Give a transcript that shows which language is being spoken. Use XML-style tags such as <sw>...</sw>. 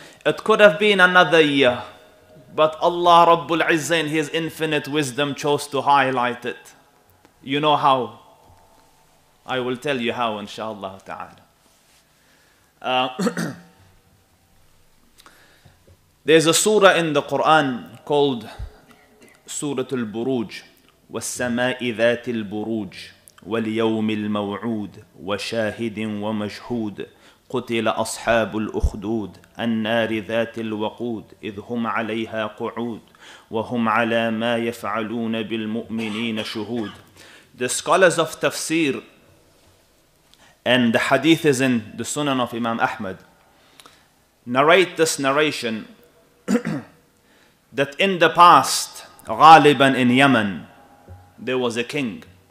<en>It could have been another year, but Allah Rabbul Izzah in His infinite wisdom chose to highlight it. You know how? I will tell you how, inshallah ta'ala. There's a surah in the Quran called Surah Al-Buruj.</en> <ar>وَالسَّمَاءِ ذَاتِ الْبُرُوجِ واليوم الموعود وشاهد ومشهود قتل أصحاب الأخدود النار ذات الوقود إذ هم عليها قعود وهم على ما يفعلون بالمؤمنين شهود.</ar> <en>The scholars of tafsir and the hadith is in the Sunan of Imam Ahmad narrate this narration that in the past, غالباً in Yemen, there was a king.</en>